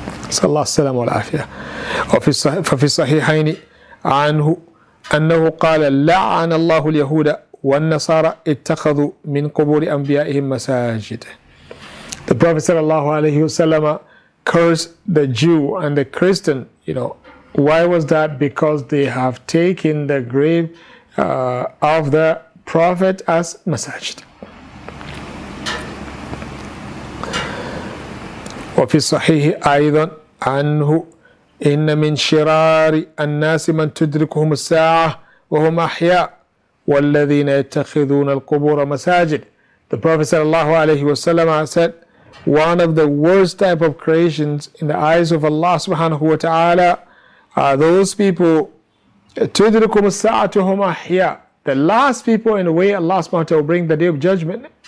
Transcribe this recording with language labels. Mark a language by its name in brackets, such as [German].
[Arabic] Sallallahu alayhi wa sallam wa afiyah. فَفِي الصَّحِيحَيْنِ عَنْهُ أَنَّهُ قَالَ لَعَنَ اللَّهُ الْيَهُودَ وَالنَّصَارَ اتَّخَذُوا مِنْ قُبُورِ أَنْبِيَائِهِمْ مَسَاجِدَ. [English] The Prophet sallallahu alayhi wa sallam cursed the Jew and the Christian, you know. Why was that? Because they have taken the grave of the Prophet as masajid. [Arabic] وفي الصحيح أيضا عنه إن من شرار الناس من تدركهم الساعة وهم أحياء والذين يتخذون القبور مساجد. [English] The Prophet صلى الله عليه وسلم said, one of the worst type of creations in the eyes of Allah subhanahu wa ta'ala are those people, [Arabic] تدركم الساعة وهم أحياء, [English] the last people in the way Allah subhanahu wa ta'ala will bring the day of judgment.